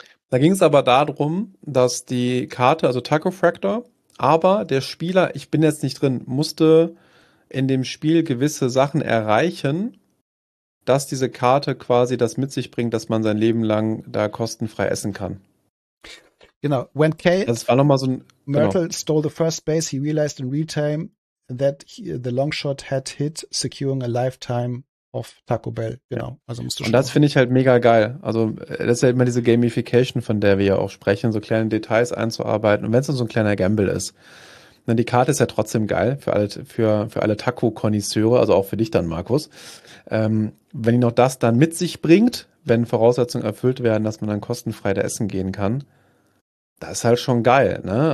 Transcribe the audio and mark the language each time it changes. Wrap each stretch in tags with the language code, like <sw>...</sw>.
<de>Da ging es aber darum, dass die Karte, also Taco Fractor, aber der Spieler, ich bin jetzt nicht drin, musste in dem Spiel gewisse Sachen erreichen, dass diese Karte quasi das mit sich bringt, dass man sein Leben lang da kostenfrei essen kann. Genau.</de> <en>When Kay,</en> <de>das war noch mal so ein, Mertl genau.</de> <en>stole the first base, he realized in real time that the long shot had hit, securing a lifetime of Taco Bell.</en> <de>Genau. Ja. Also musst du. Und das finde ich halt mega geil. Also das ist ja immer diese Gamification, von der wir ja auch sprechen, so kleine Details einzuarbeiten. Und wenn es so ein kleiner Gamble ist, dann die Karte ist ja trotzdem geil für alle Taco-Konnoisseure, also auch für dich dann, Markus. Wenn die noch das dann mit sich bringt, wenn Voraussetzungen erfüllt werden, dass man dann kostenfrei da essen gehen kann, das ist halt schon geil, ne?</de>